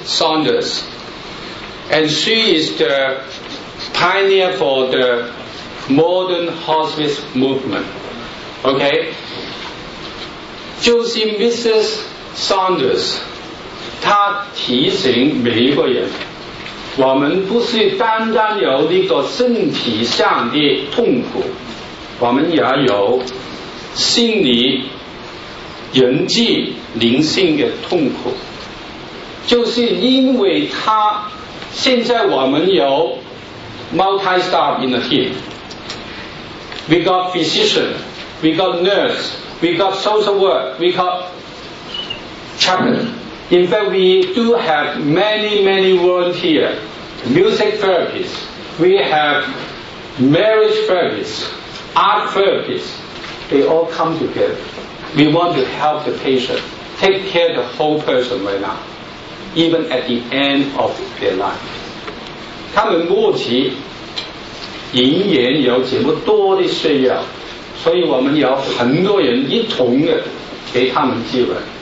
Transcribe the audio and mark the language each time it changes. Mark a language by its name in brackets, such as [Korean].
[English] Saunders， and she is the pioneer for the modern hospice movement， OK。 [Chinese] 就是 Mrs. Saunders， 她提醒每一个人，我们不是单单有这个身体上的痛苦，我们也有心理、人际、灵性的痛苦。就是因为她，现在我们有 [English] multi-staff in the team， we got physician， we got nurse。 We got social work, we got chaplain. In fact, we do have many, many volunteers, music therapists, we have marriage therapists, art therapists. They all come together. We want to help the patient, take care of the whole person right now, even at the end of their life. [Chinese] 他们目前仍然有这么多的需要，所以我们有很多人一同的给他们机会。